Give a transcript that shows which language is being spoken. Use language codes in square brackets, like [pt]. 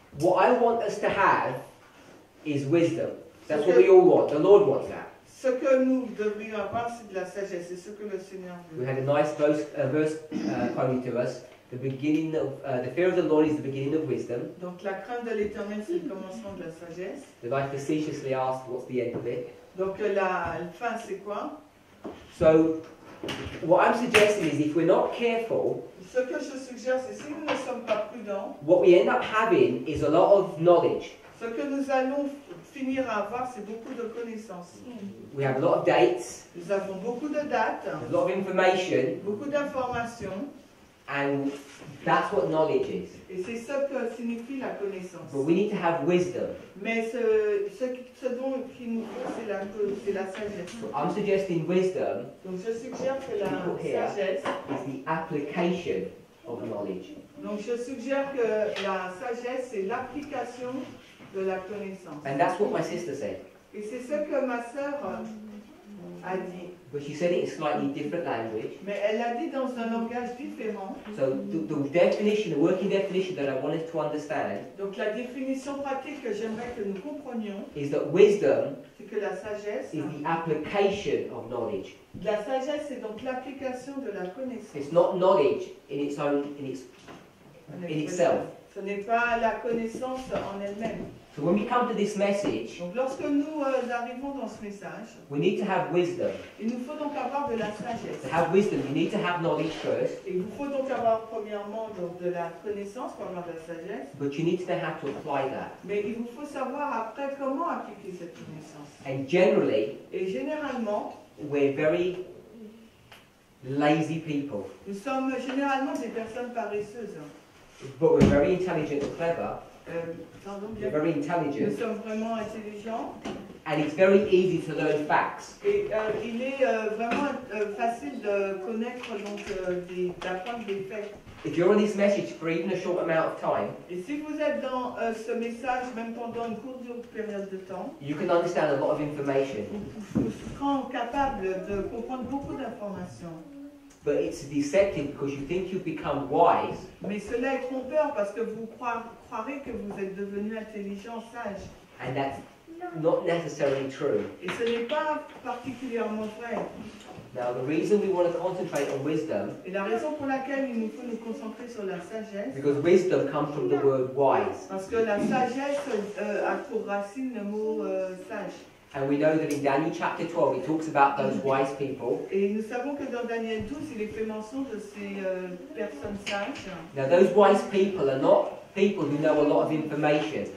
[en] What I want us to have is wisdom. That's what we all want. The Lord wants that. [fr] Ce que nous devrions avoir, c'est de la sagesse. C'est ce que le Seigneur veut. [en] We had a nice verse quoted to us. The beginning of the fear of the Lord is the beginning of wisdom. [fr] Donc la crainte de l'Éternel, c'est le commencement de la sagesse. [en] The life facetiously asked, what's the end of it? [fr] Donc la fin, c'est quoi? [en] So, What I'm suggesting is if we're not careful, [fr] ce que je suggère, c'est si nous ne sommes pas prudents, [en] what we end up having is a lot of knowledge. [fr] Ce que nous allons finir à avoir, c'est beaucoup de connaissances. [en] We have a lot of dates. [fr] Nous avons beaucoup de dates. [en] A lot of information. [fr] Beaucoup d'informations. [en] And that's what knowledge is. [fr] Et c'est ce que signifie la connaissance. [en] But we need to have wisdom. [fr] Mais ce dont il nous faut, c'est la sagesse. [en] So I'm suggesting wisdom. [fr] Donc je suggère que la sagesse [en] is the application of knowledge. [fr] Donc je suggère que la sagesse c'est l'application de la connaissance. [en] And that's what my sister said. [fr] Et c'est ce que ma sœur a dit. [en] But she said it in slightly different language. [fr] Mais elle l'a dit dans un langage différent. [en] So the definition, the working definition that I wanted to understand. [fr] Donc la définition pratique que j'aimerais que nous comprenions. [en] Is that wisdom? [fr] C'est que la sagesse. [en] Is the application of knowledge. [fr] La sagesse c'est donc l'application de la connaissance. [en] It's not knowledge in its own in itself. [fr] Ce n'est pas la connaissance en elle-même. [en] So when we come to this message, [fr] donc lorsque nous arrivons dans ce message, [en] we need to have wisdom. [fr] Il nous faut donc avoir de la sagesse. [en] To have wisdom, we need to have knowledge first. [fr] Il vous faut donc avoir premièrement donc de la connaissance pour avoir de la sagesse. [en] But you need to know how to apply that. [fr] Mais il vous faut savoir après comment appliquer cette connaissance. [en] And generally, [fr] et généralement, [en] we're very lazy people. [fr] Nous sommes généralement des personnes paresseuses. [en] But we're very intelligent and clever. You're very intelligent. [fr] Nous sommes vraiment intelligents. [en] And it's very easy to learn facts. [fr] Et il est vraiment facile de connaître donc d'apprendre des faits. [en] If you're on this message for even a short amount of time, [fr] et si vous êtes dans ce message même pendant une courte période de temps, [en] you can understand a lot of information. [fr] Vous serez capable de comprendre beaucoup d'informations. [en] But it's deceptive because you think you've become wise. [fr] Mais cela est trompeur parce que vous croirez que vous êtes devenu intelligent, sage. [en] And that's not necessarily true. [fr] Et ce n'est pas particulièrement vrai. [en] Now the reason we want to concentrate on wisdom. [fr] Et la raison pour laquelle il nous faut nous concentrer sur la sagesse. [en] Because wisdom comes from the word wise. [fr] Parce que la sagesse a pour racine le mot sage. [en] And we know that in Daniel chapter 12, it talks about those wise people. [fr] Et nous savons que dans Daniel 12, il est fait mention de ces personnes sages. [en] Now those wise people are not people who know a lot of information.